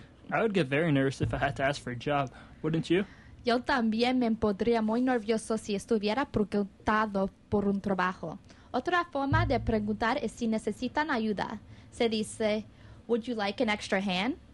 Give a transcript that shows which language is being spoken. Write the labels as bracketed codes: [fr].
[en] I would get very nervous if I had to ask for a job, wouldn't you? [es] Yo también me pondría muy nervioso si estuviera preguntado por un trabajo. Otra forma de preguntar es si necesitan ayuda. Se dice, [en] would you like an extra hand?